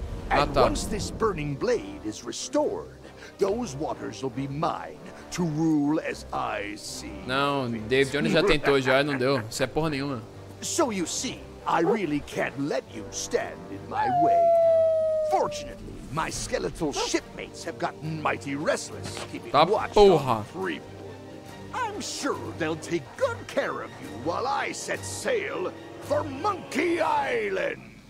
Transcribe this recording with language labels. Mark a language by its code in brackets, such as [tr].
[en] And once this burning blade is restored, those waters will be mine to rule as I see. [pt] Não, David Jones já tentou já, não deu. Isso é porra nenhuma. [en] So you see, I really can't let you stand in my way. Fortunately, my skeletal shipmates have gotten mighty restless keeping watch on Threepwood. I'm sure they'll take good care of you while I set sail for Monkey Island.